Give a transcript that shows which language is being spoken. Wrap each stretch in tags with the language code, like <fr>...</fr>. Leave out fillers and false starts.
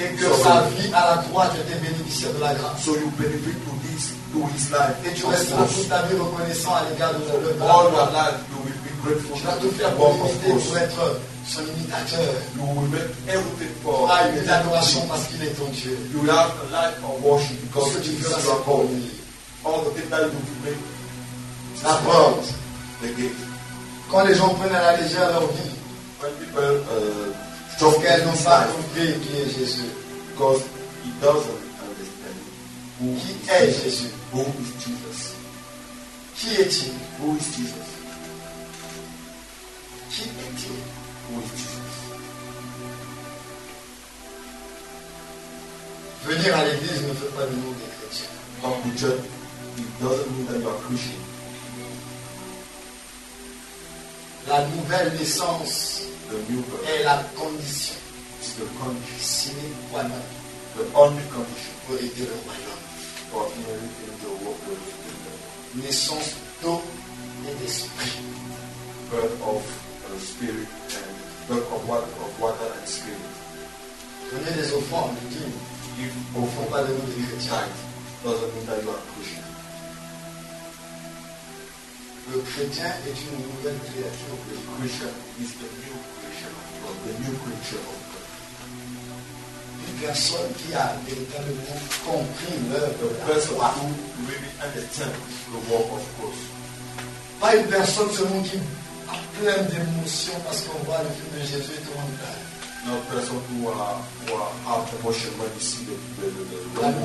<fr>Et que sa vie à la droite était bénéficiaire de la grâce.</fr> <en>So you benefit to this, to his life.</en> <fr>Et tu resteras toute ta vie reconnaissant à l'égard de l'œuvre.</fr> <en>All your life, you will be grateful.</en> <fr>Tu vas tout faire pour imiter, pour être son imitateur.</fr> <en>You will make everything for.</en> <fr>Ah, une adoration parce qu'il est ton Dieu.</fr> <en>You will have a life of worship because</en> <fr>tu feras sa parole.</fr> <en>All the people you will make.</en> <fr>La porte.</fr> <en>The gate.</en> <fr>Quand les gens prennent à la légère leur vie. Parce qu'elles n'ont pas compris qui est Jésus.</fr> <en>Because he doesn't understand</en> <fr>qui est Jésus.</fr> <en>Who is Jesus?</en> <fr>Qui est-il?</fr> <en>Who is Jesus?</en> <fr>Qui est-il?</fr> <en>Who is Jesus?</en> <fr>Venir à l'église ne fait pas de nous des chrétiens.</fr> <en>Come to church, it doesn't mean that you are Christian.</en> <fr>La nouvelle naissance,</fr> <en>the new birth,</en> <fr>est la condition.</fr> <en>It's the condition.</en> <fr>Voilà.</fr> <en>The only condition</en> <fr>pour aider le royaume.</fr> <en>For inheriting the work of the kingdom.</en> <fr>Naissance d'eau et d'esprit.</fr> <en>Birth of the spirit and birth of water, and spirit.</en> <fr>Donnez des offrandes, les dîmes.</fr> <en>Give</en> <fr>offrandes. Pas de nous des chrétiens.</fr> <en>Doesn't mean that you are Christian.</en> <fr>Le chrétien est une nouvelle créature.</fr> <en>The Christian is the new creation of God. The new creature of God.</en> <fr>Personne qui a véritablement compris l'œuvre</fr> <en>de Christ, who really understand the work of Christ.</en> <fr>Pas une personne seulement qui a plein d'émotions parce qu'on voit le film de Jésus et tout le monde pleure.</fr> <en>No person who have emotion when you see the</en>